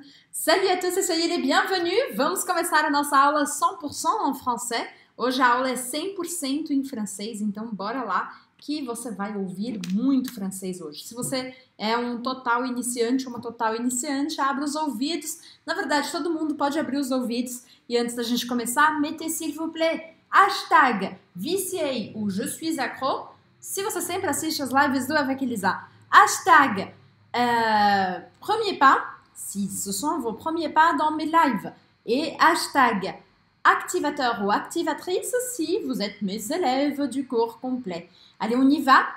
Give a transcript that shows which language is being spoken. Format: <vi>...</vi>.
<fr>Salut à tous, soyez les bienvenus.</fr> <pt>Vamos começar a nossa aula 100% en français. Hoje a aula é 100% em francês, então bora lá que você vai ouvir muito francês hoje. Se você é um total iniciante ou uma total iniciante, abre os ouvidos. Na verdade, todo mundo pode abrir os ouvidos. E antes da gente começar,</pt> <fr>mettez s'il vous plaît, hashtag vicié ou je suis accro.</fr> <pt>Se você sempre assiste as lives do Avec Elisa, hashtag premier pas.</pt> <fr>Si ce sont vos premiers pas dans mes lives. Et hashtag activateur ou activatrice si vous êtes mes élèves du cours complet. Allez, on y va.</fr>